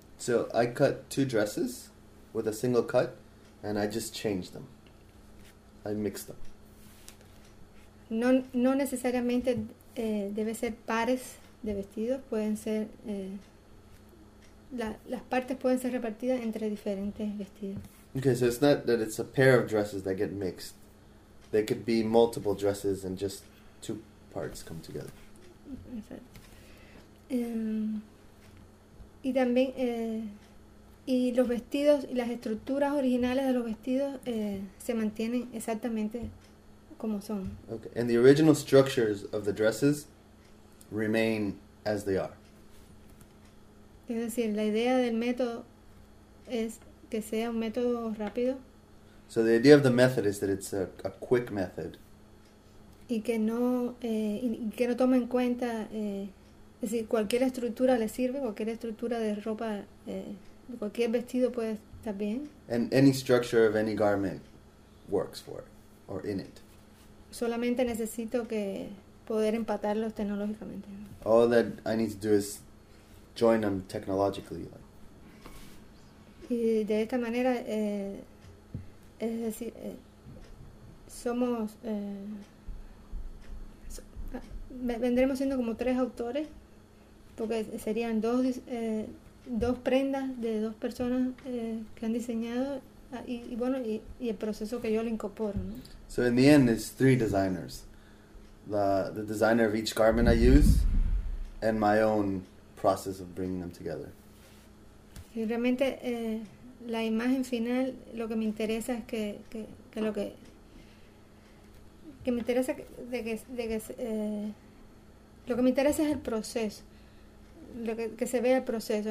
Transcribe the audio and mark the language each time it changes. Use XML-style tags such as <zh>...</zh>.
<en>So I cut two dresses with a single cut and I just change them. I mix them.</en> <es>No necesariamente debe ser pares de vestidos, pueden ser... las partes pueden ser repartidas entre diferentes vestidos.</es> <en>Okay, so it's not that it's a pair of dresses that get mixed. They could be multiple dresses and just two parts come together.</en> <es>Y también y los vestidos y las estructuras originales de los vestidos se mantienen exactamente como son.</es> <en>Okay, and the original structures of the dresses remain as they are.</en> <es>Es decir, la idea del método es que sea un método rápido.</es> <en>So the idea of the method is that it's a quick method.</en> <es>Y que no tome en cuenta, es decir, cualquier estructura le sirve, cualquier estructura de ropa, cualquier vestido puede estar bien.</es> <en>And any structure of any garment works for it, or in it.</en> <es>Solamente necesito que poder empatarlos tecnológicamente.</es> <en>All that I need to do is join them technologically.</en> <es>Y de esta manera, es decir, somos, vendremos siendo como tres autores porque serían dos prendas de dos personas que han diseñado y bueno y el proceso que yo le incorporo, ¿no?</es> <en>So in the end, it's three designers. The designer of each garment I use and my own process of bringing them together.</en> <es>Y realmente la imagen final, lo que me interesa es que lo que me interesa lo que me interesa es el proceso, lo que se vea el proceso.</es>